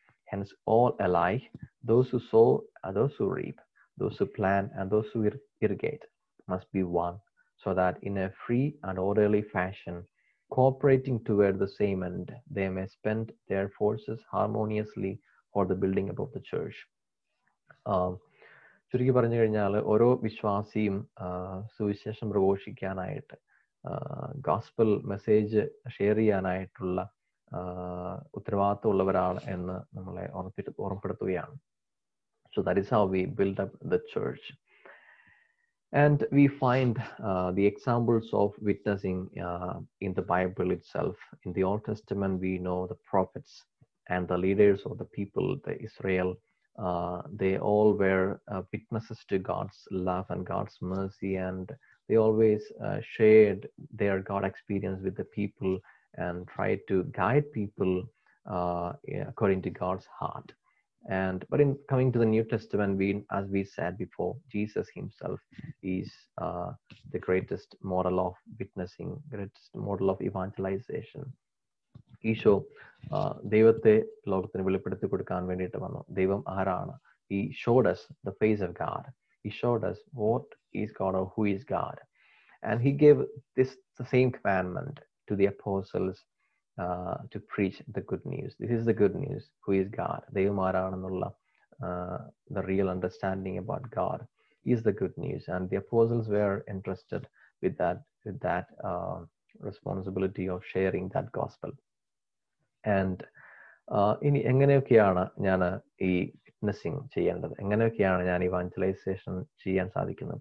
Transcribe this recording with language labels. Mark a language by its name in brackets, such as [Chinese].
[English] Hence, all alike, those who sow are those who reap, those who plant, and those who irrigate must be one, so that in a free and orderly fashion, cooperating toward the same end, they may spend their forces harmoniously for the building up of the church. [Malayalam] ചുരുക്കി പറഞ്ഞു കഴിഞ്ഞാൽ ഓരോ വിശ്വാസിയും സുവിശേഷം പ്രഘോഷിക്കാനായിട്ട് gospel message share ചെയ്യാനായിട്ടുള്ള ഉത്തരവാദിത്വം ഉള്ളവരാണ് എന്ന് നമ്മളെ ഓർമ്മപ്പെടുത്തുകയാണ്. [English] So that is how we build up the church and we find the examples of witnessing in the Bible itself. In the Old Testament we know the prophets and the leaders of the people, the Israel. They all were witnesses to God's love and God's mercy, and they always shared their God experience with the people and tried to guide people according to God's heart. And but in coming to the New Testament, we, as we said before, Jesus himself is the greatest model of witnessing, greatest model of evangelization. [Malayalam] Isho ദൈവത്തെ ലോകത്തിന് വെളിപ്പെടുത്തി കൊടുക്കാൻ വേണ്ടിയിട്ട് വന്നു. ദൈവം ആരാണ്? [English] He showed us the face of God. He showed us what is God or who is God. And he gave this the same commandment to the apostles to preach the good news. This is the good news. Who is God? [Malayalam] ദൈവം ആരാണെന്നുള്ള [English] the real understanding about God is the good news. And the apostles were entrusted with that responsibility of sharing that gospel. [Malayalam] And ഇനി എങ്ങനെയൊക്കെയാണ് ഞാൻ ഈ witnessing ചെയ്യേണ്ടത്, എങ്ങനെയൊക്കെയാണ് ഞാൻ ഈ വാഞ്ചലൈസേഷൻ ചെയ്യാൻ സാധിക്കുന്നത്?